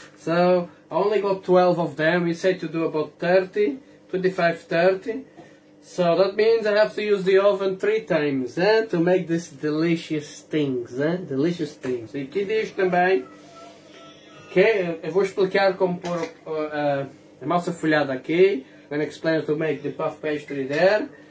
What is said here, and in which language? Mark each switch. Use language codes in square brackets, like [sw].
[en] So, I only got 12 of them, you say to do about 30, 25, 30. So, that means I have to use the oven 3 times, é? To make these delicious things, é? Delicious things. [pt] E aqui diz também, que eu vou explicar como pôr a massa folhada aqui. [en] I'm gonna explain to make the puff pastry there.